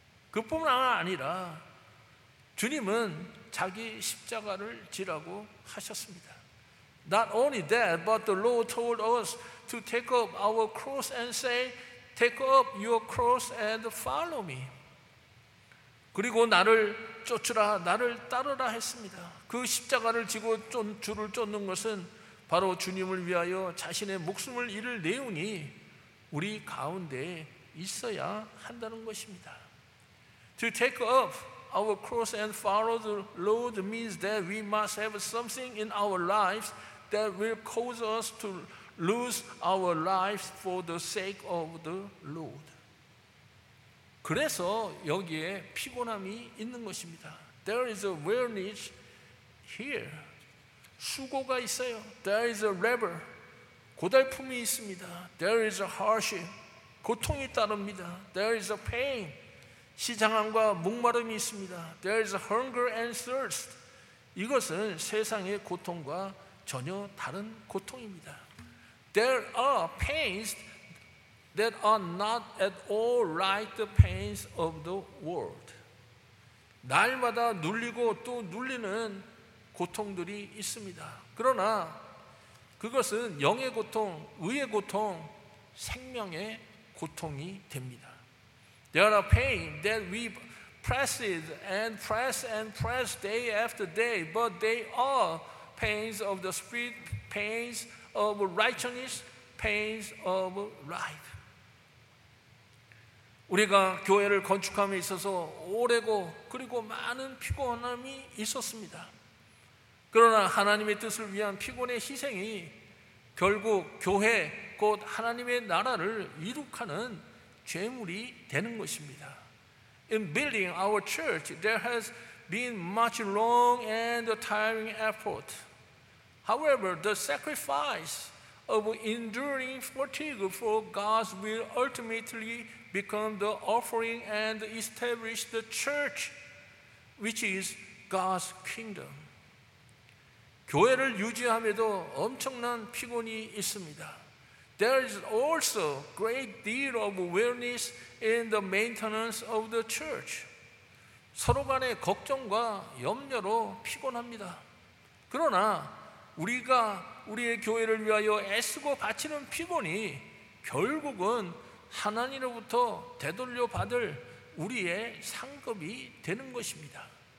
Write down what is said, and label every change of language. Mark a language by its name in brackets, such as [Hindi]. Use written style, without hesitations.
[Korean] 그뿐 아니라 주님은 자기 십자가를 지라고 하셨습니다. [English] Not only that, but the Lord told us to take up our cross and say, take up your cross and follow me. [Korean] 그리고 나를 쫓으라, 나를 따르라 했습니다. 그 십자가를 지고 주를 쫓는 것은 바로 주님을 위하여 자신의 목숨을 잃을 내용이 우리 가운데 있어야 한다는 것입니다. [English] To take up our cross and follow the Lord means that we must have something in our lives that will cause us to lose our lives for the sake of the Lord. [Korean] 그래서 여기에 피곤함이 있는 것입니다. [English] There is a weariness here. [Korean] 수고가 있어요. [English] There is a labor. [Korean] 고달픔이 있습니다. [English] There is a hardship. [Korean] 고통이 따릅니다. [English] There is a pain. [Korean] 시장함과 목마름이 있습니다. [English] There is a hunger and thirst. [Korean] 이것은 세상의 고통과 전혀 다른 고통입니다. [English] There are pains that are not at all like the pains of the world. [Korean] 날마다 눌리고 또 눌리는 고통들이 있습니다. 그러나 그것은 영의 고통, 의의 고통, 생명의 고통이 됩니다. [English] There are pain that we press it and press and press day after day, but they are pains of the spirit, pains of righteousness, pains of life. [Korean] 우리가 교회를 건축함에 있어서 오래고 그리고 많은 피곤함이 있었습니다. 그러나 하나님의 뜻을 위한 피곤의 희생이 결국 교회 곧 하나님의 나라를 이룩하는 죄물이 되는 것입니다. [English] In building our church, there has been much long and tiring effort. However, the sacrifice of enduring fatigue for God's will ultimately become the offering and establish the church, which is God's kingdom. [Korean] 교회를 유지함에도 엄청난 피곤이 있습니다. [English] There is also a great deal of weariness in the maintenance of the church. [Korean] 서로 간의 걱정과 염려로 피곤합니다. 그러나 우리가 우리의 교회를 위하여 애쓰고 바치는 피곤이 결국은 하나님으로부터 되돌려 받을 우리의 상급이 되는 것입니다.